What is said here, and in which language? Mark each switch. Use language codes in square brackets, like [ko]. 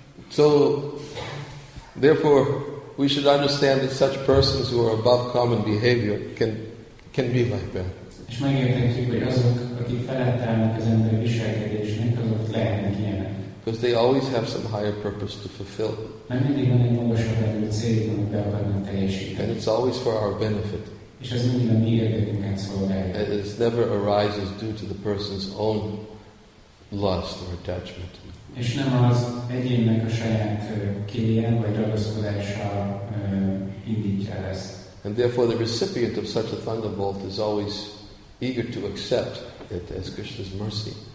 [en] So, therefore, we should understand that such persons who are above common behavior can be like that. [hu] És megérthetjük, hogy azok, akik felett állnak az ember viselkedésnek, azok lehetnek ilyenek. [en] Because they always have some higher purpose to fulfill. [hu] Mert mindig van egy magasabb erő céljuk, amit be akarnak teljesíteni. [en] And it's always for our benefit. [hu] És ez mindig a mi érdekünket szolgálja. [en] It never arises due to the person's own lust or attachment. [hu] És nem az egyénnek a saját kéjén vagy ragaszkodása indítja ezt. [en] And therefore the recipient of such a thunderbolt is always eager to accept it as Krishna's mercy.